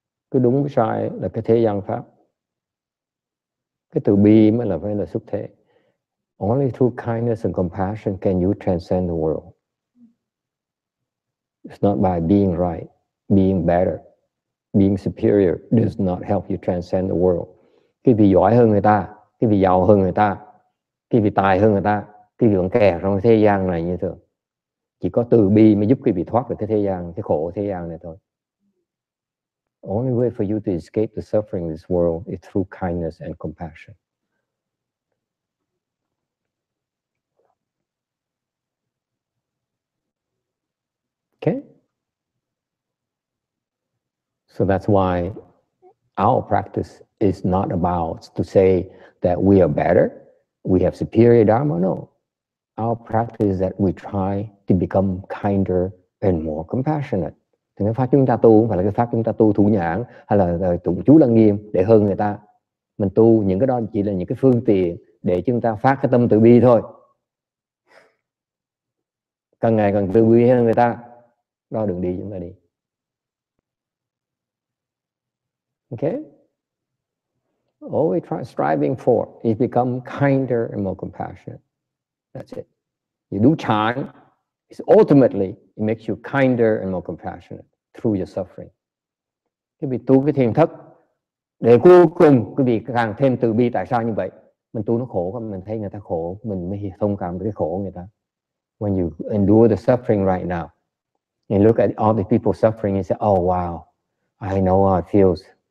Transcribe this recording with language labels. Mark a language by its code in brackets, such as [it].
[vi] Cứ đúng sai là cái thế gian pháp. Cái từ bi mới là phải là xuất thế. [en] Only through kindness and compassion can you transcend the world. It's not by being right, being better, being superior does not help you transcend the world. [vi] Cái vì giỏi hơn người ta, cái vì giàu hơn người ta, cái vì tài hơn người ta, cái vì còn kẻ trong thế gian này như thường. Chỉ có từ bi mới giúp quý vị thoát được cái thế gian, cái khổ thế gian này thôi. [en] Only way for you to escape the suffering of this world is through kindness and compassion. Okay? So that's why our practice is not about to say that we are better, we have superior dharma, no. Our practice is that we try to become kinder and more compassionate. [vi] Thì cái pháp chúng ta tu hoặc là cái pháp chúng ta tu thủ nhãn hay là tụng chú lăng nghiêm để hơn người ta. Mình tu những cái đó chỉ là những cái phương tiện để chúng ta phát cái tâm từ bi thôi. Càng ngày càng từ bi hơn người ta, đó đường đi chúng ta đi. [en] Okay? All we try striving for is become kinder and more compassionate. That's it. You do chan, it's ultimately it makes you kinder and more compassionate through your suffering. [vi] Cái vị tu cái thiền thất để cuối cùng cái vị càng thêm từ bi. Tại sao như vậy? Mình tu nó khổ, mình thấy người ta khổ, mình mới thông cảm với cái khổ người ta. [en] When you endure the suffering right now, and look at all the people suffering, and say, "Oh wow, I know how it feels.